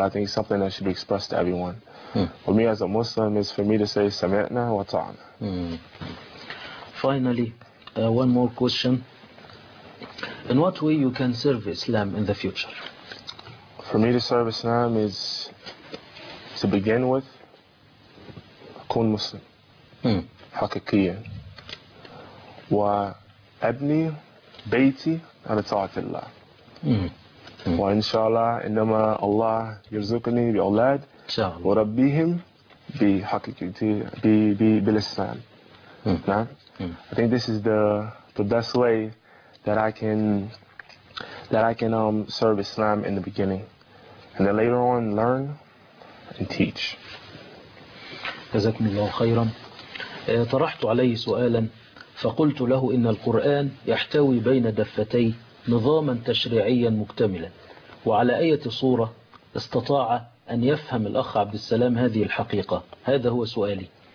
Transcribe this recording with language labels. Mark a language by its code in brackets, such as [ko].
[en] I think something that should be expressed to everyone. For me as a Muslim, is for me to say sami'na wa ta'ana. Finally, one more question. In what way you can serve Islam in the future? For me to serve Islam is to begin with [ar] كون مسلم حقيقيا وأبني بيتي على طاعة الله وإن شاء الله إنما الله يرزقني بأولاد وربيهم بحقيقتي بالإسلام. [en] I think this is the best way that I can serve Islam in the beginning, and then later on learn and teach. [ar] جزاكم الله خيرا. طرحت عليه سؤالا فقلت له إن القرآن يحتوي بين دفتي نظاما تشريعيا مكتملا، وعلى أي صورة استطاع أن يفهم الأخ عبد السلام هذه الحقيقة؟ هذا هو سؤالي.